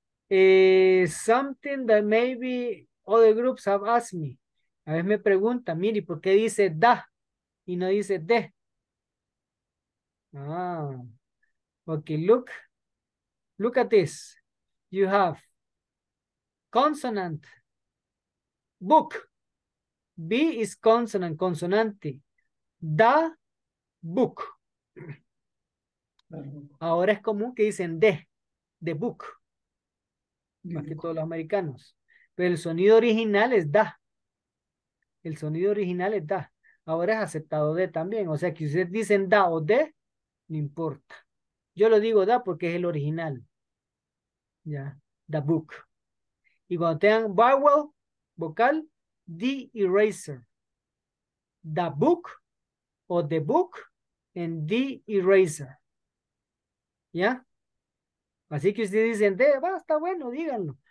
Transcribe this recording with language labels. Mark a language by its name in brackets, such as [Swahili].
[English] Something that maybe other groups have asked me. [Spanish] A veces me pregunta, mire, ¿por qué dice da y no dice de? [English] Ah, ok, look. Look at this. You have consonant, book. B is consonant, consonante. Da, book. [Spanish] Ahora es común que dicen de, [English] the book. [Spanish] Más que todos los americanos. Pero el sonido original es da. El sonido original es da. Ahora es aceptado de también. O sea, que ustedes dicen da o de, no importa. Yo lo digo da porque es el original. [English] Ya, the book. [Spanish] Y cuando tengan [English] vowel, vocal, the eraser. The book o the book and the eraser. [Spanish] ¿Ya? Así que ustedes dicen, de, va, está bueno, díganlo.